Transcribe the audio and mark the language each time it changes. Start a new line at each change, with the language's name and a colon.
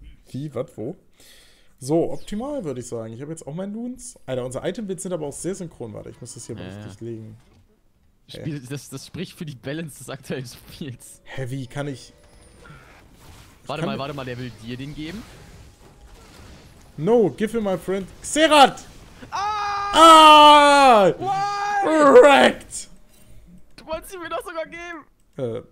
German: Wie, was, wo? So, optimal würde ich sagen. Ich habe jetzt auch meinen Loons. Alter, unsere Item-Bits sind aber auch sehr synchron. Warte, ich muss das hier mal richtig legen. Spiel, das spricht für die Balance des aktuellen Spiels. Hä, wie kann ich. Warte mal, der will dir den geben?
English: No, give him my friend Xerath! Why? Wrecked!
German: Du wolltest ihn mir doch sogar geben!